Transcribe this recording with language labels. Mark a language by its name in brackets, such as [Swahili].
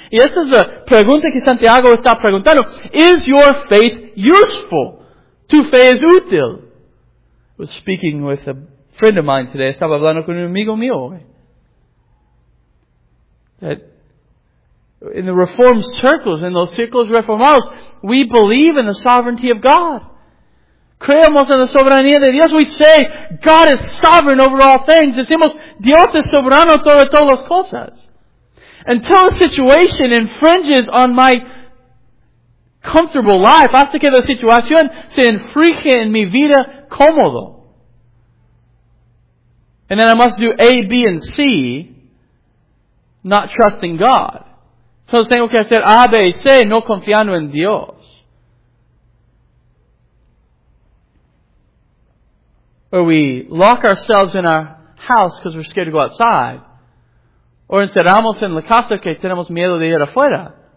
[Spanish] Y esta es la pregunta que Santiago está preguntando. [English] Is your faith useful? [Spanish] ¿Tu fe es útil? [English] I was speaking with a friend of mine today. [Spanish] Estaba hablando con un amigo mío hoy. [English] That in the Reformed circles, in those circles reformados, we believe in the sovereignty of God. [Spanish] Creemos en la soberanía de Dios. [English] We say, God is sovereign over all things. [Spanish] Decimos, Dios es soberano sobre todas las cosas. [English] Until a situation infringes on my comfortable life, [Spanish] hasta que la situación se infringe en mi vida cómodo. [English] And then I must do A, B, and C, not trusting God. [Spanish] Entonces tengo que hacer A, B, C, no confiando en Dios. [English] Or we lock ourselves in our house because we're scared to go outside. [Spanish] Or encerramos en la casa que tenemos miedo de ir afuera.